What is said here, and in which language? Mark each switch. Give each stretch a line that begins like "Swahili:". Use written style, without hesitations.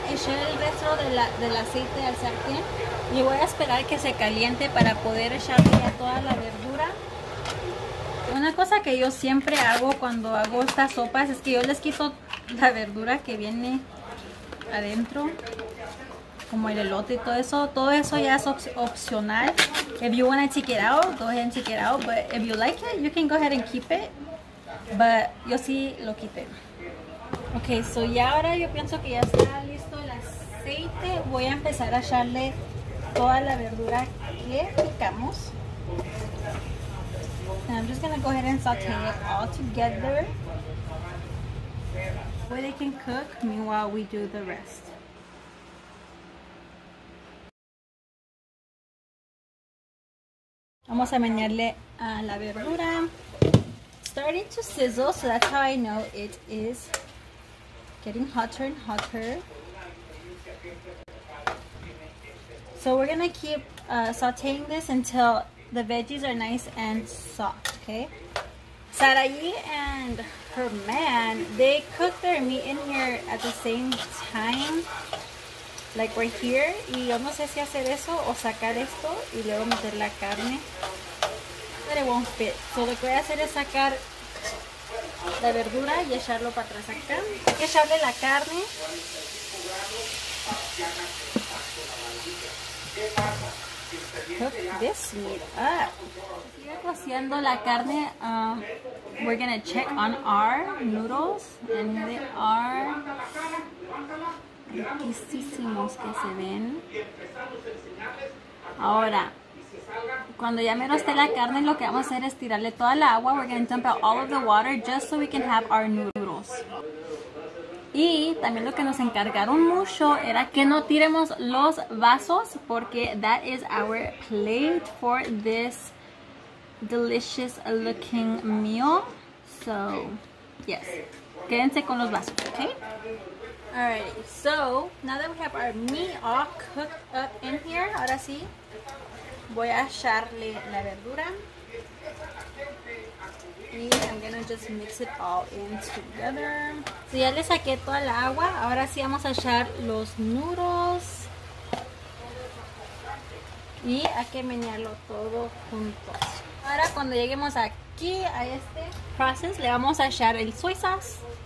Spanish: Eché el resto del aceite al sartén y voy a esperar que se caliente para poder echarle ya toda la verdura. Una cosa que yo siempre hago cuando hago estas sopas es que yo les quito la verdura que viene adentro, como el elote y todo eso. Todo eso ya es opcional.
English: If you want to check it out, go ahead and check it out. But if you like it, you can go ahead and keep it.
Spanish: But yo sí lo quité. Okay, so ya ahora yo pienso que ya está listo el aceite. Voy a empezar a echarle toda la verdura que picamos.
English: And I'm just gonna go ahead and saute it all together. Where they can cook, meanwhile we do the rest.
Spanish: Vamos a meñarle a la verdura.
English: Starting to sizzle, so that's how I know it is getting hotter and hotter. So we're gonna keep sauteing this until the veggies are nice and soft, okay? Sarayi and her man, they cook their meat in here at the same time. Like right here,
Spanish: y yo no sé si hacer eso o sacar esto y luego meter la carne.
English: But it won't fit.
Spanish: So lo que voy a hacer es sacar la verdura y echarlo para atrás acá. Hay que echarle la carne.
English: Cook this meat up.
Spanish: Sigue cociendo la carne.
English: We're gonna check on our noodles. And they are
Spanish: riquísimos que se ven. Ahora, cuando ya mero esté la carne, lo que vamos a hacer es tirarle toda la agua.
English: We're going to dump out all of the water just so we can have our noodles.
Spanish: Y también lo que nos encargaron mucho era que no tiremos los vasos, porque
English: that is our plate for this delicious looking meal. So, yes.
Spanish: Quédense con los vasos, ¿ok?
English: Alrighty, so now that we have our meat all cooked up in here,
Spanish: ahora sí, voy a echarle la verdura.
English: Y I'm gonna just mix it all in together.
Spanish: So ya le saqué toda la agua, ahora sí vamos a echar los noodles. Y hay que menearlo todo juntos. Ahora cuando lleguemos aquí a este proceso, le vamos a echar el soy sauce.